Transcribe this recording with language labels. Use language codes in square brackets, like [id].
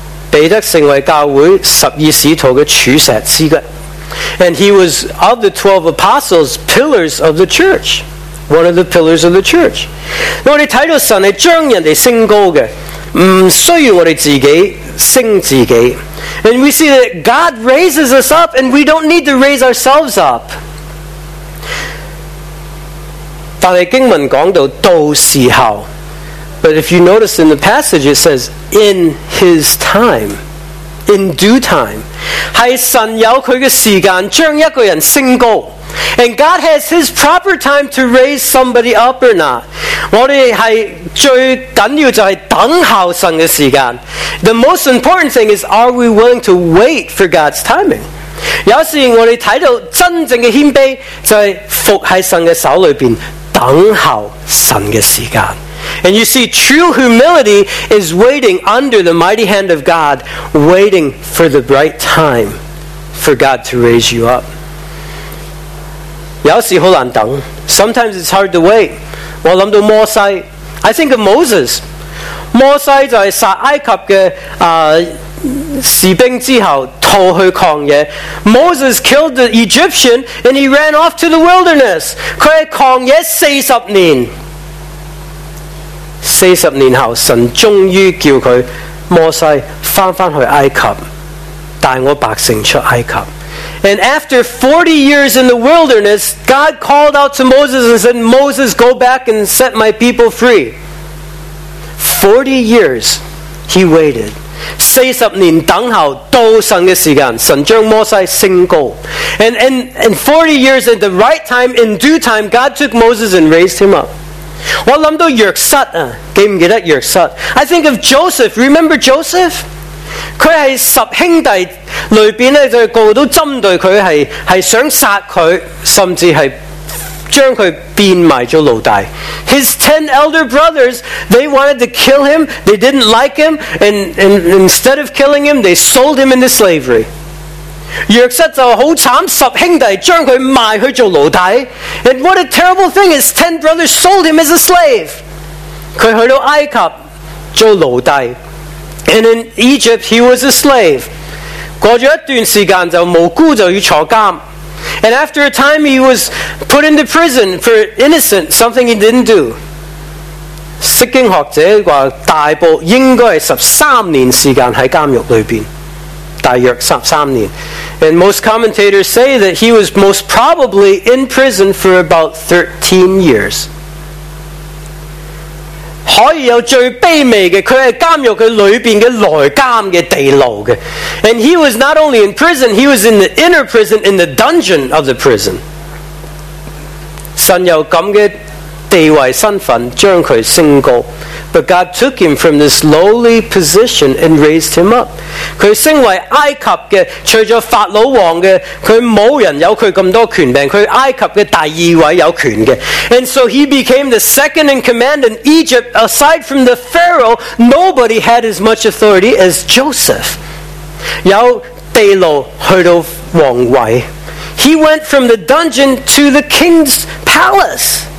[zh] 彼得成为教会十二使徒的柱石之一。 [en] And he was of the 12 apostles, pillars of the church. One of the pillars of the church. [zh] 我们看到神是将人家升高的，不需要我们自己升自己。 [en] And we see that God raises us up, and we don't need to raise ourselves up. [zh] 但是经文讲到到时候。 [en] But if you notice in the passage, it says, in his time. In due time, [zh] 是神有祂的时间将一个人升高。 [en] And God has His proper time to raise somebody up or not. [zh] 我们是最紧要就是等候神的时间。 [en] The most important thing is, are we willing to wait for God's timing? [zh] 有时我们看到真正的谦卑就是伏在神的手里面等候神的时间。 [en] And you see, true humility is waiting under the mighty hand of God, waiting for the right time for God to raise you up. [zh] 有时候很难等。 [en] Sometimes it's hard to wait. [zh] 我想到摩西， [en] I think of Moses. [zh] 摩西在杀埃及的士兵之后逃去旷野。 [en] Moses killed the Egyptian and he ran off to the wilderness. [zh] 他在旷野40年。 40年后，神终于叫他摩西回去埃及，带我百姓出埃及。 [en] And after 40 years in the wilderness, God called out to Moses and said, Moses, go back and set my people free. 40 years he waited. [zh] 40年等候到神的时间，神将摩西升高。 [en] And 40 years at the right time, in due time, God took Moses and raised him up. [zh] 我想到约瑟，记不记得约瑟？ [en] I think of Joseph. Remember Joseph? [zh] 他是十兄弟里面，就个个都针对他， 是想杀他，甚至是将他变卖做奴隶。 [en] His 10 elder brothers, they wanted to kill him. They didn't like him. And instead of killing him, they sold him into slavery. [zh] 约瑟就好惨，十兄弟将他卖去做奴隶。 [en] And what a terrible thing is, 10 brothers sold him as a slave. [zh] 他去到埃及做奴隶。 [en] And in Egypt he was a slave. [zh] 过了一段时间就无辜就要坐监。 [en] And after a time he was put into prison for innocent, something he didn't do. [zh] 释经学者说大部应该是13年时间在监狱里面，大约13年。 [en] And most commentators say that he was most probably in prison for about 13 years. [zh] 可以有最卑微的，他是监狱里边的内监的地牢的。 [en] And he was not only in prison, he was in the inner prison, in the dungeon of the prison. [zh] 神有这样的地位身份将他升高。 [en] But God took him from this lowly position and raised him up. [zh] 他升为埃及的，除了法老王的，他没有人有他这么多权柄，他埃及的第二位有权的。 [en] And so he became the second in command in Egypt. Aside from the Pharaoh, nobody had as much authority as Joseph. [zh] 有地牢去到王位。 [en] He went from the dungeon to the king's palace.